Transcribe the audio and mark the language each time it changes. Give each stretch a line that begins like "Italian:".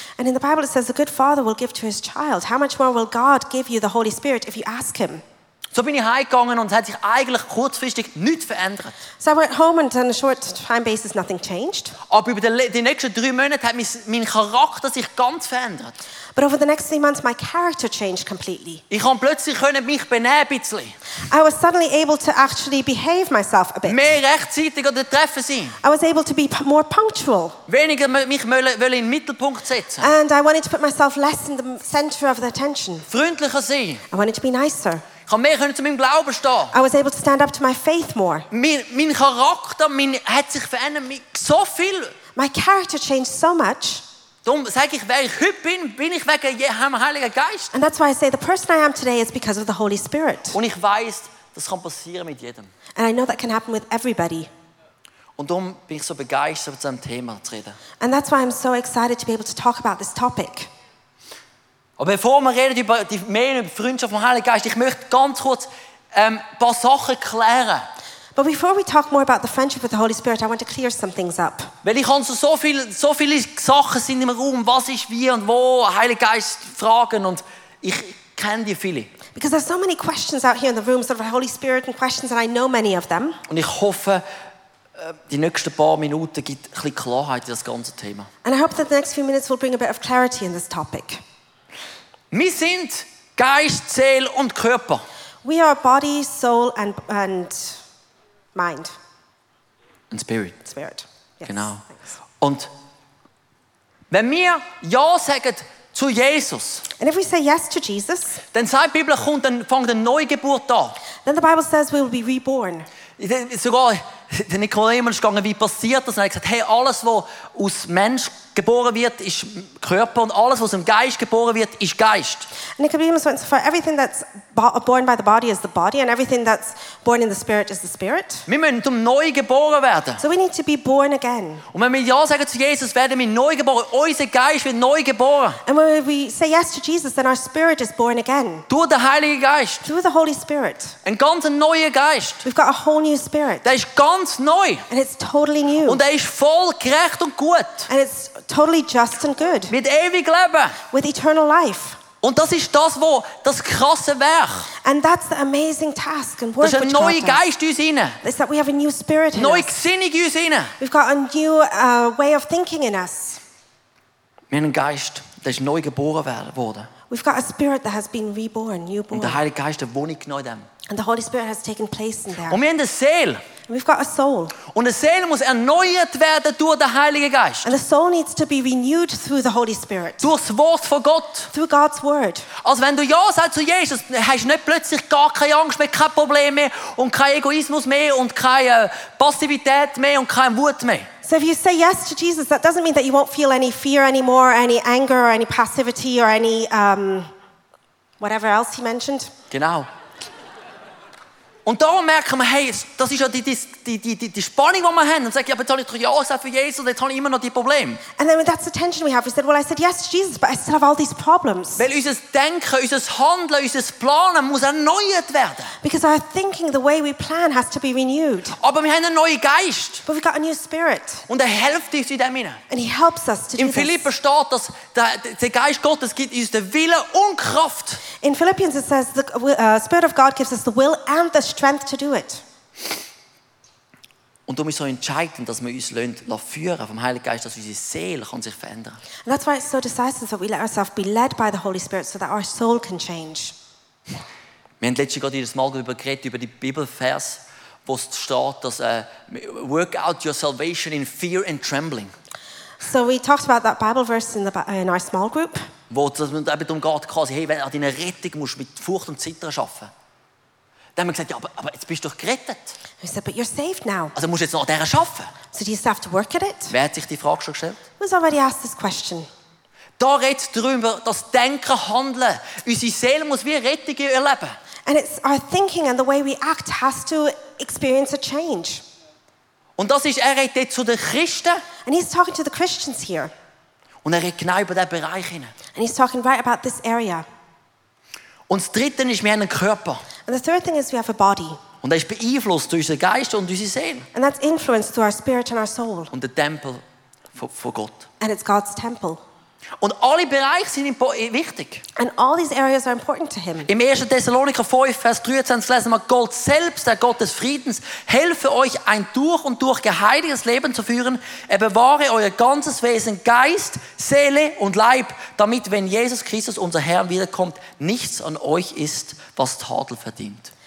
English: And in the Bible it says a good father will give to his child. How much more will God give you the Holy Spirit if you ask him?
German: So bin ich heimgegangen und es hat sich eigentlich kurzfristig nichts verändert.
English: So I went home and on a short time basis nothing changed.
German: Aber über die nächsten 3 Monate hat mein Charakter sich ganz verändert.
English: But over the next 3 months my character changed completely.
German: Ich konnte plötzlich mich benehmen ein bisschen.
English: I was suddenly able to actually behave myself a bit.
German: Mehr rechtzeitig an den Treffen sein.
English: I was able to be more punctual.
German: Weniger mich wollen in den Mittelpunkt setzen.
English: And I wanted to put myself less in the center of the attention.
German: Freundlicher sein.
English: I wanted to be nicer.
German: Ich konnte mehr zu meinem Glauben stehen.
English: I was able to stand up to my faith more.
German: Mein Charakter hat sich verändert so viel.
English: My character changed so much.
German: Darum sage ich, wer ich heute bin, bin ich wegen dem Heiligen Geist.
English: And that's why I say the person I am today is because of the Holy Spirit.
German: Und ich weiß, das kann passieren mit jedem.
English: And I know that can happen with everybody.
German: Und darum bin ich so begeistert, über dieses Thema zu reden.
English: And that's why I'm so excited to be able to talk about this topic.
German: Aber bevor wir reden über die Mehl und Freundschaft vom Heiligen Geist, ich möchte ganz kurz ein paar Sachen klären.
English: But before we talk more about the friendship with the Holy Spirit, I want to clear some things up.
German: Weil ich habe so viele Sachen sind im Raum, was ist wie und wo, Heiliger Geist fragen und ich kenne die viele.
English: Because there's so many questions out here in the room, sort of the Holy Spirit and questions, and I know many of them.
German: Und ich hoffe, die nächsten paar Minuten gibt ein bisschen Klarheit in das ganze Thema.
English: And I hope that the next few minutes will bring a bit of clarity in this topic.
German: Wir sind Geist, Seele und Körper.
English: We are body, soul and mind. And spirit. Spirit, yes.
German: Genau.
English: Thanks.
German: Und wenn wir Ja sagen zu Jesus,
English: and if we say yes to Jesus,
German: dann sagt die Bibel, kommt dann fängt eine Neugeburt an.
English: Then the Bible says we will be reborn.
German: Sogar der Nikodemus ist gegangen, wie passiert das? Und er hat gesagt, hey, alles, was aus Mensch geboren wird, ist Körper. Und alles, was im Geist geboren wird, ist Geist.
English: Nikodemus went so far, everything that's born by the body is the body, and everything that's born in the spirit is the spirit.
German: Wir müssen zum neu geboren werden.
English: So we need to be born again.
German: Und wenn wir Ja sagen zu Jesus, werden wir neu geboren. Unser Geist wird neu geboren.
English: And when we say yes to Jesus, then our spirit is born again.
German: Durch den Heiligen Geist.
English: Through the Holy Spirit.
German: Ein ganz neuer Geist.
English: We've got a whole new spirit.
German: Der ist ganz neu.
English: And it's totally new.
German: Und er ist voll gerecht und gut.
English: And it's totally just and good.
German: Mit ewig Leben.
English: With eternal life.
German: Und das ist das, wo das krasse Werk.
English: And that's the amazing task and work.
German: Das ist ein neuer Geist in uns hinein.
English: It's that we have a new spirit in
German: us. Neue Gesinnung in uns hinein.
English: We've got a new way of thinking in us.
German: Wir haben einen Geist, der ist neu geboren worden.
English: We've got a spirit that has been reborn, newborn.
German: Und der Heilige Geist, der wohnt genau in dem.
English: And the Holy Spirit has taken place in there.
German: Und wir haben eine Seele.
English: And we've got a soul.
German: Und eine Seele muss erneuert werden durch den Heiligen Geist.
English: And the soul needs to be renewed through the Holy Spirit.
German: Durch das Wort von Gott.
English: Through God's word.
German: Also wenn du Ja sagst zu Jesus, hast du nicht plötzlich gar keine Angst mehr, keine Probleme mehr und kein Egoismus mehr und keine Passivität mehr und keine Wut mehr.
English: So if you say yes to Jesus, that doesn't mean that you won't feel any fear anymore, any anger or any passivity or any whatever else he mentioned.
German: Genau. Und darum merken wir, hey, das ist ja die Spannung, die wir haben. Und sagen, ja, aber jetzt habe ich doch Ja für Jesus, jetzt habe ich immer noch die Probleme.
English: And then that's the tension we have. We said, well, I said yes to Jesus, but I still have all these problems.
German: Weil unser Denken, unser Handeln, unser Planen muss erneuert werden.
English: Because our thinking, the way we plan, has to be renewed.
German: Aber wir haben einen neuen Geist.
English: But we've got a new spirit.
German: Und er hilft uns in dem hinein.
English: And he helps us to do this.
German: In Philippen steht, dass der Geist Gottes gibt uns den Willen und Kraft.
English: In Philippians it says, the Spirit of God gives us the will and the strength to do it.
German: Und darum ist so entscheidend, dass wir uns führen vom Heiligen Geist, dass unsere Seele kann sich verändern.
English: And that's why it's so decisive that we let ourselves be led by the Holy Spirit so that our soul can change.
German: Wir haben letztens gerade jedes Mal darüber geredet, über die Bibelvers, wo es steht, dass
English: work out your salvation in fear and trembling. So we talked about that Bible verse in our small group.
German: Wo es eben darum geht, quasi, hey, wenn an deiner Rettung musst du mit Furcht und Zittern arbeiten. Dann haben wir gesagt, ja, aber jetzt bist du doch gerettet.
English: He said, but you're saved now.
German: Also musst du jetzt noch an der arbeiten.
English: So do you still have to work at it?
German: Wer hat sich die Frage schon gestellt?
English: Who's already asked this question?
German: Da redet es darüber, das Denken, Handeln. Unsere Seele muss wie Rettung erleben.
English: And it's our thinking and the way we act has to experience a change.
German: Und das ist, er redet jetzt zu den Christen.
English: And he's talking to the Christians here.
German: Und er redet genau über diesen Bereich.
English: And he's talking right about this area.
German: Und das Dritte ist, wir haben einen Körper.
English: And the third thing is we have a body.
German: Und er ist beeinflusst durch unseren Geist und unsere Seele.
English: And that's influenced through our spirit and our soul.
German: Und der Tempel von Gott.
English: And it's God's temple.
German: Und alle Bereiche sind ihm wichtig.
English: And all these areas are important to him.
German: Im 1. Thessalonicher 5, Vers 23 lesen wir: Gott selbst, der Gott des Friedens, helfe euch, ein durch und durch geheiligtes Leben zu führen. Er bewahre euer ganzes Wesen, Geist, Seele und Leib, damit, wenn Jesus Christus, unser Herr, wiederkommt, nichts an euch ist, was Tadel verdient.